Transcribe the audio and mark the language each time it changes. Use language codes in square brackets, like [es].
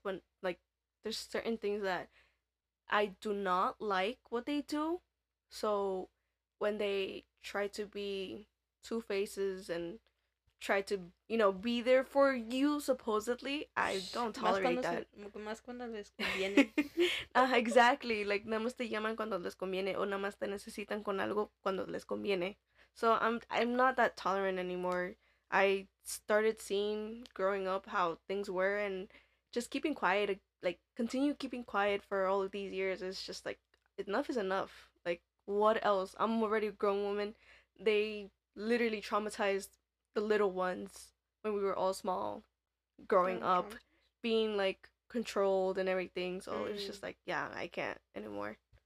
[en] But, like, there's certain things that I do not like what they do. So when they try to be two faces and try to, you know, be there for you, supposedly, I don't tolerate that. [es] Más cuando les conviene. [en] Exactly. Like, [es] nada más te llaman cuando les conviene, o nada más te necesitan con algo cuando les conviene. [en] So I'm not that tolerant anymore. I started seeing growing up how things were, and just keeping quiet, like, continue keeping quiet for all of these years is just, like, enough is enough. Like, what else? I'm already a grown woman. They literally traumatized the little ones when we were all small, growing up, being, like, controlled and everything. So it's just, like, yeah, I can't anymore.